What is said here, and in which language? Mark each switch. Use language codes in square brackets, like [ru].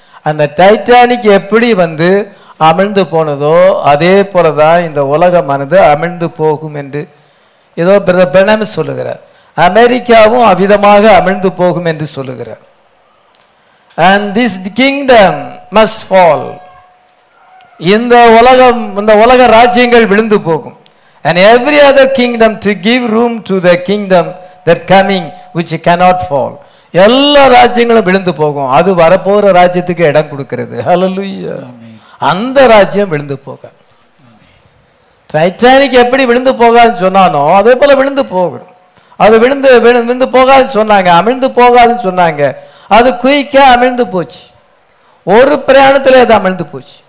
[ta] அந்த டைட்டானிக் எப்படி வந்து அமிழ்ந்து போனதோ அதே போல தான் இந்த உலகம் வந்து அமிழ்ந்து போகும் என்று ஏதோ பிரதர் பிரானம் சொல்லுகிறார். அமெரிக்காவும் அவிதமாக அமிழ்ந்து போகும் என்று சொல்லுகிறார். [en] And this kingdom must fall. [ta] இந்த உலகம் இந்த உலக ராஜ்யங்கள் விழுந்து போகும். [en] And every other kingdom to give room to the kingdom that coming which cannot fall. [ta] எல்லா ராஜ்யங்களும் விழுந்து போகும். அது வரப்போகிற ராஜ்யத்துக்கு இடம் கொடுக்கிறது. ஹல்லேலூயா. அந்த ராஜ்யம் விழுந்து போகாது. டைட்டானிக் எப்படி விழுந்து போகாதுன்னு சொன்னானோ அதே போல விழுந்து போகணும். அது விழுந்து போகாதுன்னு சொன்னாங்க. அமிழ்ந்து போகாதுன்னு சொன்னாங்க. அது குயிக்காக அமிழ்ந்து போச்சு. ஒரு பிரயாணத்திலே அது அமிழ்ந்து போச்சு.